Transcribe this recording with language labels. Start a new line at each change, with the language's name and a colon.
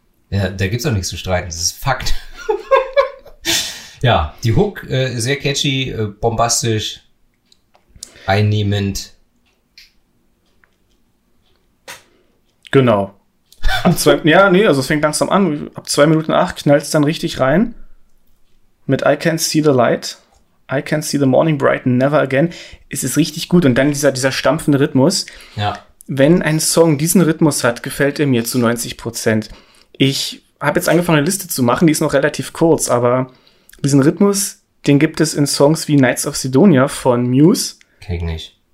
German: Ja, da gibt's doch nichts zu streiten. Das ist Fakt. Ja, die Hook, sehr catchy, bombastisch, einnehmend. Genau. Es fängt langsam an. Ab 2 Minuten 8 knallt's dann richtig rein. Mit
English: I can see the light. I can see the morning bright and never again.
German: Es ist richtig gut. Und dann dieser stampfende Rhythmus. Ja. Wenn ein Song diesen Rhythmus hat, gefällt er mir zu 90%. Ich habe jetzt angefangen, eine Liste zu machen, die ist noch relativ kurz, aber diesen Rhythmus, den gibt es in Songs wie Knights of Sidonia von Muse. Kenn ich.